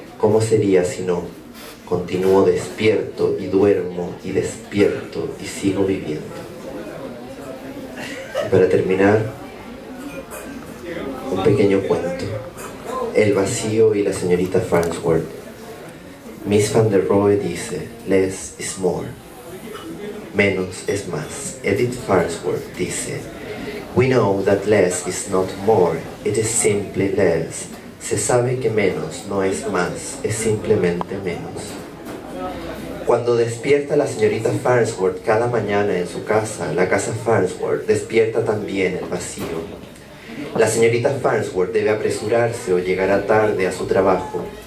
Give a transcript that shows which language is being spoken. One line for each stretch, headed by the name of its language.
Spanish: ¿Cómo sería si no? Continúo despierto y duermo y despierto y sigo viviendo. Y para terminar, un pequeño cuento. El vacío y la señorita Farnsworth. Miss Van der Rohe dice,
English: less is more.
Spanish: Menos es más.
English: Edith Farnsworth
Spanish: dice,
English: we know that less is not more, it is simply less.
Spanish: Se sabe que menos no es más, es simplemente menos. Cuando despierta la señorita Farnsworth cada mañana en su casa, la casa Farnsworth, despierta también el vacío. La señorita Farnsworth debe apresurarse o llegará tarde a su trabajo.